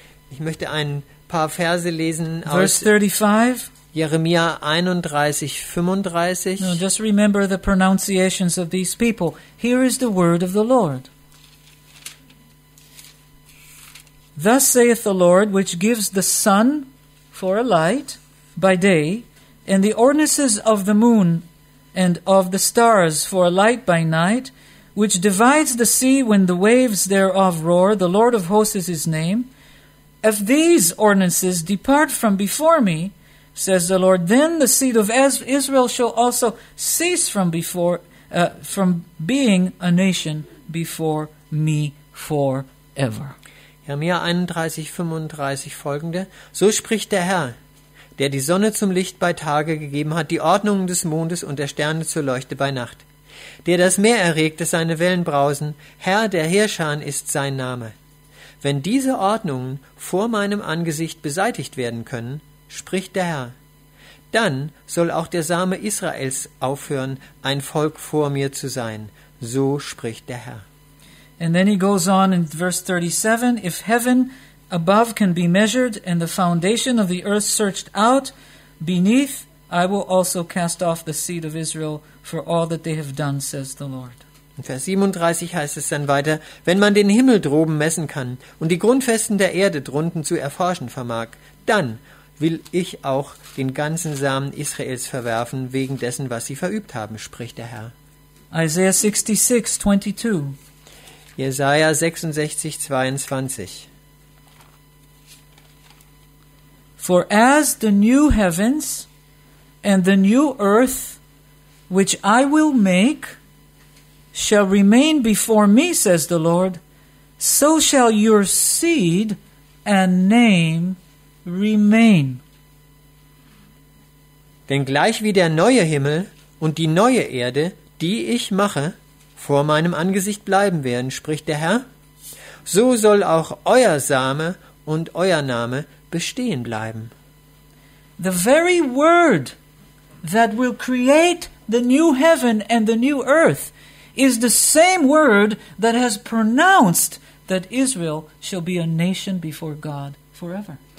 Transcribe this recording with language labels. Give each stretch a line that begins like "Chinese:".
German: Ich möchte ein paar Verse lesen aus Verse 35. Jeremia 31, 35.
English: No, just remember the pronunciations of these people. Here is the word of the Lord. Thus saith the Lord, which gives the sun for a light by day, and the ordinances of the moon and of the stars for a light by night, which divides the sea when the waves thereof roar, the Lord of hosts is his name. If these ordinances depart from before me, says the Lord, then the seed of Israel shall also cease from being a nation before me forever.
German: Jeremia 31, 35 folgende. So spricht der Herr, der die Sonne zum Licht bei Tage gegeben hat, die Ordnungen des Mondes und der Sterne zur Leuchte bei Nacht, der das Meer erregt, dass seine Wellen brausen. Herr der Heerscharen ist sein Name. wenn diese Ordnungen vor meinem Angesicht beseitigt werden können, spricht der Herr, dann soll auch der Same Israels aufhören, ein Volk vor mir zu sein, so spricht der Herr.
English: And then he goes on in verse 37, if heaven above can be measured and the foundation of the earth searched out, beneath I will also cast off the seed of Israel for all that they have done, says the Lord.
German: In Vers 37 heißt es dann weiter, wenn man den Himmel droben messen kann und die Grundfesten der Erde drunten zu erforschen vermag, dann will ich auch den ganzen Samen Israels verwerfen wegen dessen, was sie verübt haben, spricht der Herr.
English: Isaiah 66, 22.
German: Jesaja 66, 22.
English: For as the new heavens and the new earth which I will make shall remain before me, says the Lord, so shall your seed and name remain.
German: Denn gleich wie der neue Himmel und die neue Erde, die ich mache, vor meinem Angesicht bleiben werden, spricht der Herr, so soll auch euer Same und euer Name bestehen bleiben.
English: The very word that will create the new heaven and the new earth is the same word that has pronounced that Israel shall be a nation before God forever.